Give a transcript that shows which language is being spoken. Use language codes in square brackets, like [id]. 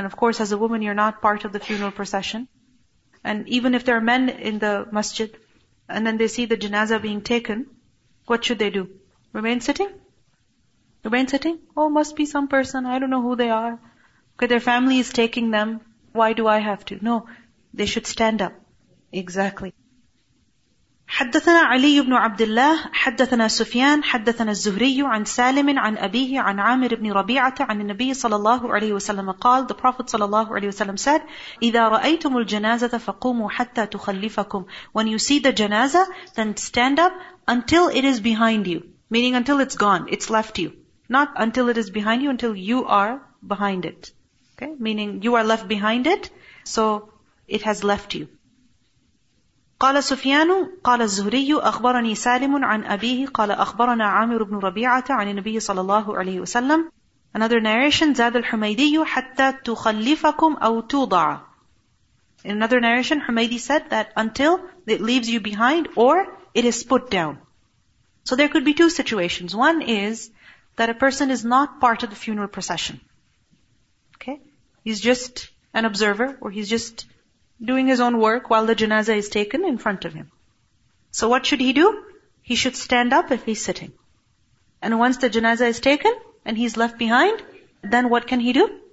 [en] And of course, as a woman, you're not part of the funeral procession. And even if there are men in the masjid, and then they see the janaza being taken, what should they do? Remain sitting? Remain sitting? Oh, must be some person, I don't know who they are. Okay, their family is taking them, why do I have to? No, they should stand up. Exactly. [ar] حدثنا علي بن عبد الله حدثنا سفيان حدثنا الزهري عن سالم عن أبيه عن عامر بن ربيعة عن النبي صلى الله عليه وسلم قال [en] The Prophet [ar] صلى الله عليه وسلم [en] said [ar] إذا رأيتم الجنازة فقوموا حتى تخلفكم [en] When you see the janaza, then stand up until it is behind you. Meaning until it's gone, it's left you. Not until it is behind you, until you are behind it. Okay? Meaning you are left behind it, so it has left you. [ar] قال سفيان قال الزهري أخبرني سالم عن أبيه قال أخبرنا عامر بن ربيعة عن النبي صلى الله عليه وسلم [en] Another narration [ar] زاد الحميدي حتى تخلفكم أو توضع [en] In another narration Humaydi said that until it leaves you behind or it is put down. So there could be two situations. One is that a person is not part of the funeral procession. Okay? He's just an observer or he's just doing his own work while the janaza is taken in front of him. So what should he do? He should stand up if he's sitting. And once the janaza is taken and he's left behind, then what can he do?